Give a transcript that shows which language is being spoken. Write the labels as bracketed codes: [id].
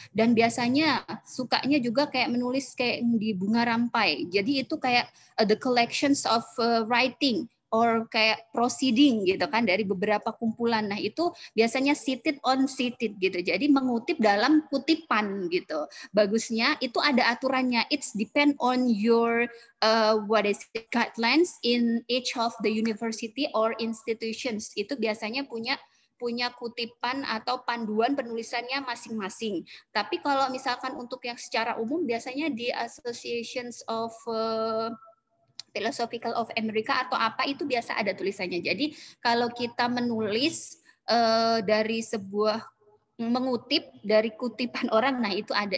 [id] Dan biasanya sukanya juga kayak menulis kayak di Bunga Rampai. Jadi itu kayak [en] the collections of writing or [id] kayak proceeding gitu kan, dari beberapa kumpulan. Nah itu biasanya [en] cited on cited [id] gitu. Jadi mengutip dalam kutipan gitu. Bagusnya itu ada aturannya. [en] It's depend on your what is it, guidelines in each of the university or institutions. [id] Itu biasanya punya kutipan atau panduan penulisannya masing-masing. Tapi kalau misalkan untuk yang secara umum, biasanya di associations of Philosophical of America atau apa, itu biasa ada tulisannya. Jadi kalau kita menulis dari sebuah, mengutip dari kutipan orang, nah itu ada.